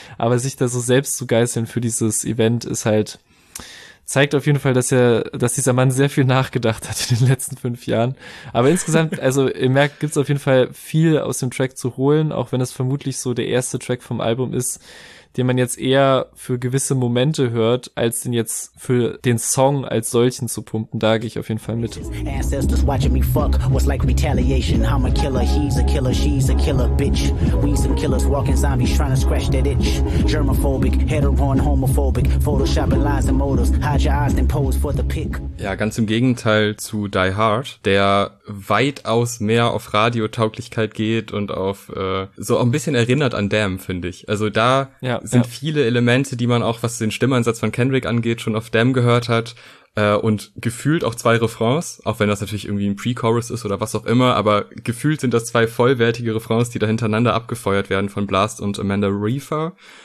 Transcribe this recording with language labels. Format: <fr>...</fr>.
<de>Aber sich da so selbst zu geißeln für dieses Event ist halt, zeigt auf jeden Fall, dass dieser Mann sehr viel nachgedacht hat in den letzten 5 Jahren. Aber insgesamt, also ihr merkt, gibt's auf jeden Fall viel aus dem Track zu holen, auch wenn es vermutlich so der erste Track vom Album ist, den man jetzt eher für gewisse Momente hört, als den jetzt für den Song als solchen zu pumpen. Da gehe ich auf jeden Fall mit.</de> <en>Ancestors watching me fuck was like retaliation. I'm a killer, he's a killer, she's a killer bitch. We some killers walking zombies trying to scratch that itch. Germophobic, hetero and homophobic. Photoshopping lies and motives. Hide your eyes and pose for the pic.</en> <de>Ja, ganz im Gegenteil zu Die Hard, der weitaus mehr auf Radiotauglichkeit geht und auf so ein bisschen erinnert an Damn, finde ich. Also da sind viele Elemente, die man auch, was den Stimmeinsatz von Kendrick angeht, schon auf Damn gehört hat und gefühlt auch zwei Refrains, auch wenn das natürlich irgendwie ein Pre-Chorus ist oder was auch immer, aber gefühlt sind das zwei vollwertige Refrains, die da hintereinander abgefeuert werden von Blast und Amanda Reefer.</de>